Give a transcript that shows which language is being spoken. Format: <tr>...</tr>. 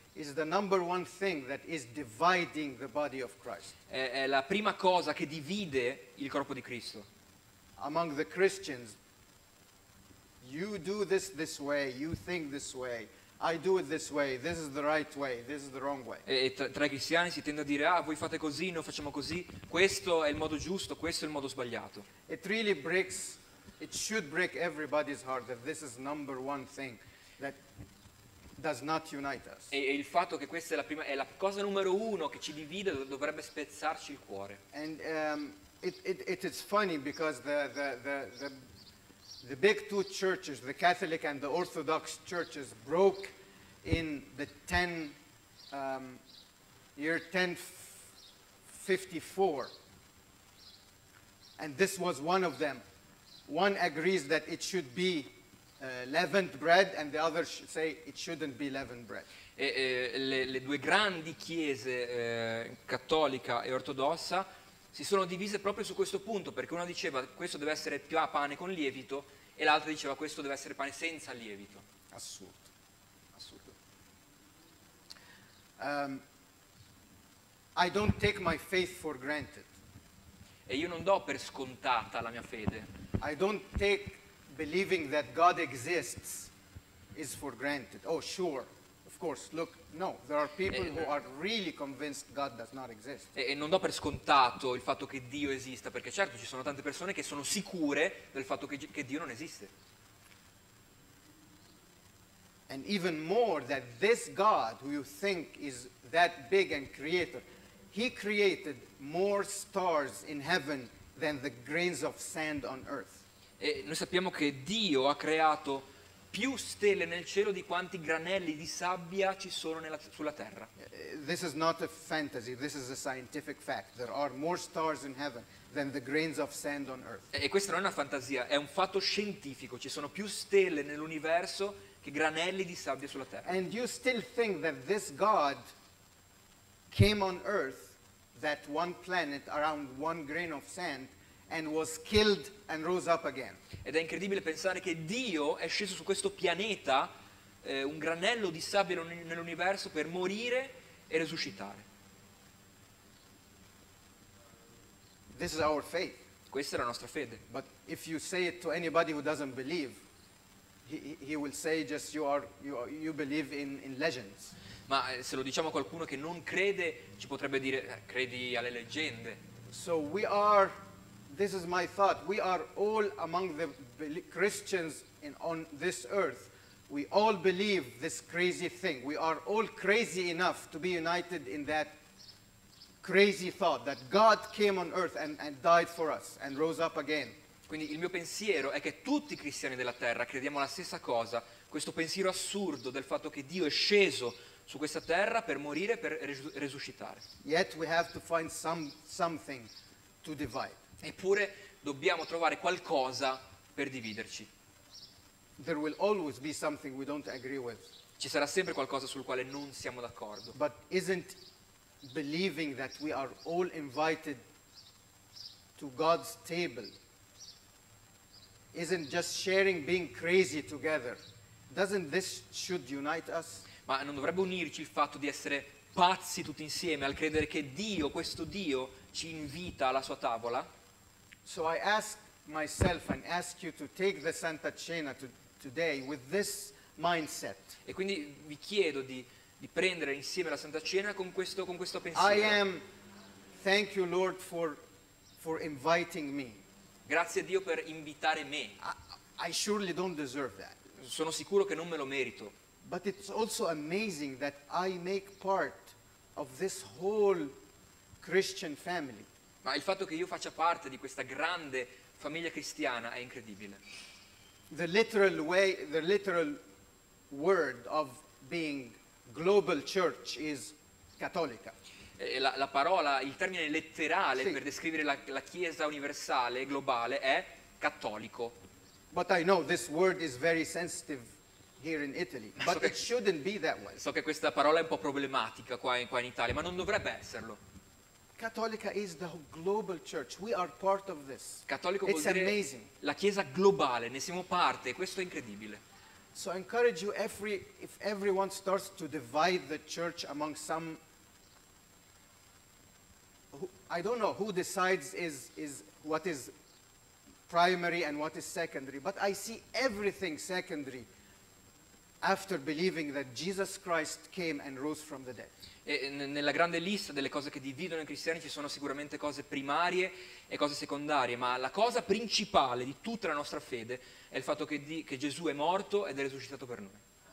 <en>is the number one thing that is dividing the body of Christ.</en> <it>È la prima cosa che divide il corpo di Cristo.</it> <en>Among the Christians, you do this way, you think this way, I do it this way, this is the right way, this is the wrong way.</en> <it>E tra i cristiani si tende a dire, ah, voi fate così, noi facciamo così, questo è il modo giusto, questo è il modo sbagliato.</it> <en>It really breaks, it should break everybody's heart that this is number one thing that does not unite us.</en> <it>E il fatto che questa è la cosa numero uno che ci divide dovrebbe spezzarci il cuore.</it> <en>And it is funny because the big two churches, the Catholic and the Orthodox churches, broke in the 1054. And this was one of them. One agrees that it should be leavened bread, and the other say it shouldn't be leavened bread.</en> <it>Le due grandi chiese cattolica e ortodossa si sono divise proprio su questo punto, perché una diceva questo deve essere più a pane con lievito e l'altra diceva questo deve essere pane senza lievito. Assurdo, assurdo.</it> <en>I don't take my faith for granted.</en> <it>E io non do per scontata la mia fede.</it> <en>I don't take believing that God exists is for granted. Oh, sure, of course. Look, no, there are people who are really convinced God does not exist.</en> <it>E non do per scontato il fatto che Dio esista, perché certo ci sono tante persone che sono sicure del fatto che Dio non esiste.</it> <en>And even more that this God who you think is that big and creator, he created more stars in heaven than the grains of sand on earth.</en> <it>E noi sappiamo che Dio ha creato più stelle nel cielo di quanti granelli di sabbia ci sono nella, sulla terra.</it> <en>This is not a fantasy, this is a scientific fact. There are more stars in heaven than the grains of sand on earth.</en> <it>E questa non è una fantasia, è un fatto scientifico. Ci sono più stelle nell'universo che granelli di sabbia sulla terra.</it> <en>And you still think that this God came on earth, that one planet around one grain of sand, and was killed and rose up again.</en> <it>Ed è incredibile pensare che Dio è sceso su questo pianeta, un granello di sabbia nell'universo, per morire e resuscitare.</it> <en>This is our faith.</en> <it>Questa è la nostra fede.</it> <en>But if you say it to anybody who doesn't believe, he will say just you believe in legends.</en> <it>Ma se lo diciamo a qualcuno che non crede, ci potrebbe dire credi alle leggende.</it> <en>So we are, this is my thought, we are all among the Christians in on this earth, we all believe this crazy thing. We are all crazy enough to be united in that crazy thought that God came on earth and died for us and rose up again.</en> <it>Quindi il mio pensiero è che tutti i cristiani della terra crediamo la stessa cosa, questo pensiero assurdo del fatto che Dio è sceso su questa terra per morire, per resuscitare.</it> <en>Yet we have to find something to divide.</en> <it>Eppure dobbiamo trovare qualcosa per dividerci.</it> <en>There will always be something we don't agree with.</en> <it>Ci sarà sempre qualcosa sul quale non siamo d'accordo.</it> <en>But isn't believing that we are all invited to God's table, isn't just sharing being crazy together, doesn't this should unite us?</en> <it>Ma non dovrebbe unirci il fatto di essere pazzi tutti insieme al credere che Dio, questo Dio, ci invita alla sua tavola?</it> <en>So I ask myself and ask you to take the Santa Cena today with this mindset.</en> <it>E quindi vi chiedo di prendere insieme la Santa Cena con questo pensiero.</it> <en>I am, thank you Lord for inviting me.</en> <it>Grazie a Dio per invitare me.</it> <en>I surely don't deserve that.</en> <it>Sono sicuro che non me lo merito.</it> <en>But it's also amazing that I make part of this whole Christian family.</en> <it>Ma il fatto che io faccia parte di questa grande famiglia cristiana è incredibile.</it> <en>The literal way, the literal word of being global church is cattolica.</en> <it>La parola, il termine letterale sì, per descrivere la Chiesa universale, globale, è cattolico.</it> <en>But I know this word is very sensitive here in Italy, but it shouldn't be that way.</en> <it>So che questa parola è un po' problematica qua in Italia, ma non dovrebbe esserlo.</it> <en>Cattolica is the global church. We are part of this.</en> <it>Cattolico</it> <en>it's</en> <it>vuol dire</it> <en>amazing.</en> <it>La Chiesa globale, ne siamo parte, questo è incredibile.</it> <en>So I encourage you, if everyone starts to divide the church among some, I don't know who decides is what is primary and what is secondary, but I see everything secondary after believing that Jesus Christ came and rose from the dead.</en> <it>E nella grande lista delle cose che dividono i cristiani ci sono sicuramente cose primarie e cose secondarie, ma la cosa principale di tutta la nostra fede è il fatto che Gesù è morto ed è resuscitato per noi.</it>